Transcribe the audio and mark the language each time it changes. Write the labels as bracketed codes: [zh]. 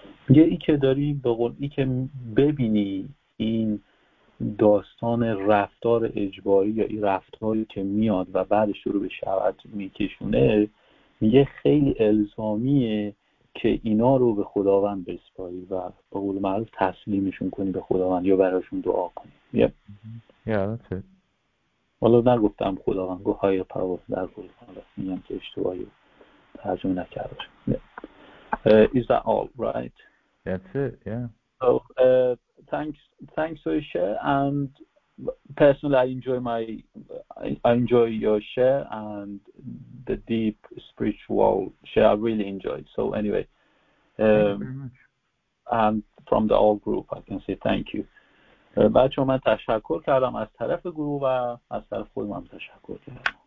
[fa] یه ای که داری به قول ای که ببینی این داستان رفتار اجباری یا این رفتاری که میاد و بعدش رو به شهوت میکشونه یه خیلی الزامیه که اینا رو به خداوند بسپاری و به قول معروف تسلیمشون کنی به خداوند یا براشون دعا کنی. والا نگفتم خداوند گو های پاور در قول میگم که اشتباهی ترجمه نکرده. [en] Is that all right? That's it, yeah. So, thanks for your share, and personally I enjoy your share and the deep spiritual share. I really enjoyed. So anyway, and from the whole group I can say thank you. [fa] بچه‌ها من تشکر کردم از طرف گروه و از طرف خودم هم تشکر کردم.